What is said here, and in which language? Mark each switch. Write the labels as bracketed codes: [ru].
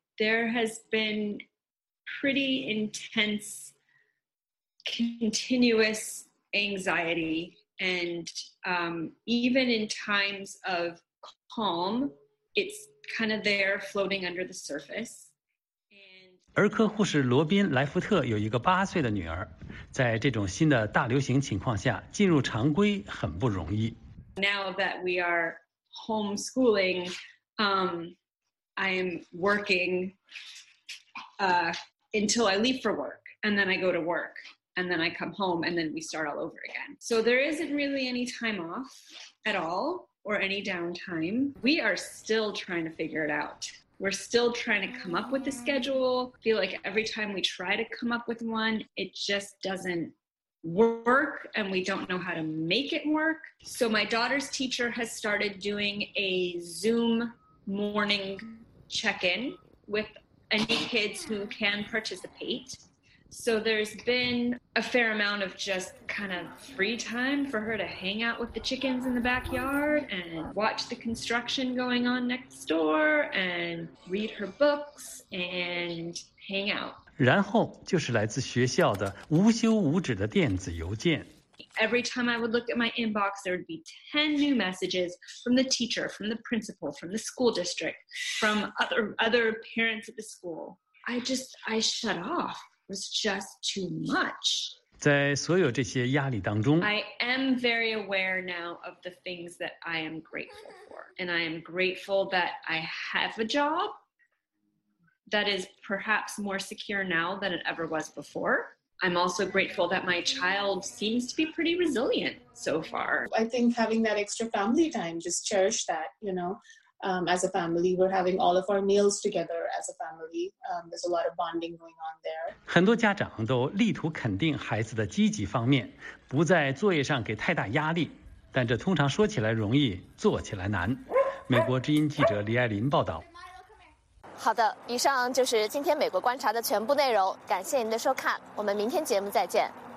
[en] There has been pretty intense, continuous anxiety, and even in times of calm, it's kind of there floating under the surface. [zh] 儿科护士罗宾·莱福特有一个8岁的女儿，在这种新的大流行情况下进入常规很不容易。 [en] Now that we are homeschooling, I'm working until I leave for work, and then I go to work, and then I come home, and then we start all over again. So there isn't really any time off at all or any downtime. We are still trying to figure it out. We're still trying to come up with a schedule. I feel like every time we try to come up with one, it just doesn't work, and we don't know how to make it work. So my daughter's teacher has started doing a Zoom morning check-in with any kids who can participate. So there's been a fair amount of just kind of free time for her to hang out with the chickens in the backyard and watch the construction going on next door and read her books and hang out. [zh] 然后就是来自学校的无休无止的电子邮件。 [en] Every time I would look at my inbox, there would be 10 new messages from the teacher, from the principal, from the school district, from other parents at the school. I shut off. Was just too much. [zh] 在所有这些压力当中 [en] I am very aware now of the things that I am grateful for. And I am grateful that I have a job that is perhaps more secure now than it ever was before. I'm also grateful that my child seems to be pretty resilient so far. I think having that extra family time, just cherish that, you know. As a family, we're having all of our meals together as a family. There's a lot of bonding going on there. [zh] 很多家长都力图肯定孩子的积极方面，不在作业上给太大压力，但这通常说起来容易，做起来难。美国之音记者李爱琳报道。好的，以上就是今天美国观察的全部内容，感谢您的收看，我们明天节目再见。